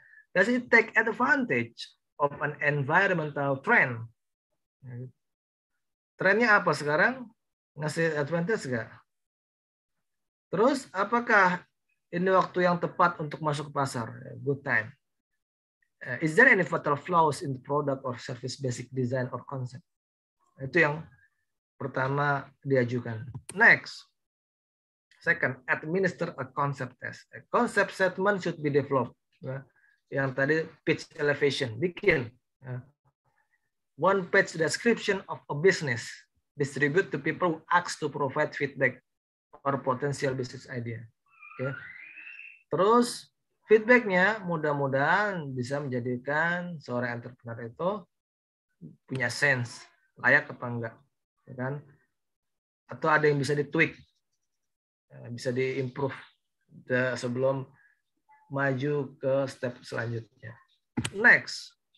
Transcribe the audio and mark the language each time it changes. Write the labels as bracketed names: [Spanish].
[English] Does it take advantage of an environmental trend? [Indonesian] Trendnya apa sekarang? Ngasih advantage nggak? Terus, apakah ini waktu yang tepat untuk masuk ke pasar? [English] Good time. Is there any fatal flaws in the product or service basic design or concept? [Indonesian] Itu yang pertama diajukan. [English] Next. Second, administer a concept test. A concept statement should be developed. [Indonesian] Yang tadi pitch elevation. Bikin. [English] One page description of a business. Distribute to people who ask to provide feedback or potential business idea. Okay. [Indonesian] Terus, feedbacknya mudah-mudahan bisa menjadikan seorang entrepreneur itu punya sense. Layak apa enggak. Ya kan? Atau ada yang bisa ditweak. Bisa diimprove sebelum maju ke step selanjutnya. Next.